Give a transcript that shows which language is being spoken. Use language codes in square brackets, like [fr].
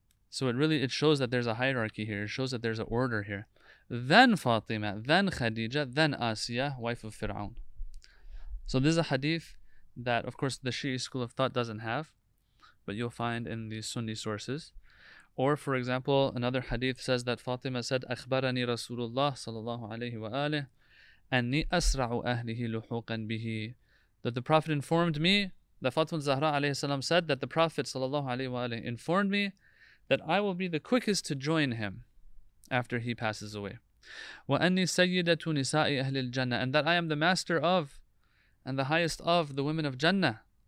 [en] So it shows that there's a hierarchy here, it shows that there's an order here. Then Fatima, then Khadija, then Asiya, wife of Fir'aun. So this is a hadith that, of course, the Shi'i school of thought doesn't have, but you'll find in the Sunni sources. Or, for example, another hadith says that Fatima said, [ar] أخبرني رسول الله صلى الله عليه وآله أني أسرع أهله لحوقا به. [en] That the Prophet informed me, that Fatima Zahra alayhi salam said that the Prophet [ar] صلى الله عليه وآله [en] informed me that I will be the quickest to join him after he passes away. [ar] وَأَنِّي سَيِّدَةُ نِسَاءِ أَهْلِ الْجَنَّةِ. [en] And that I am the master of and the highest of the women of Jannah.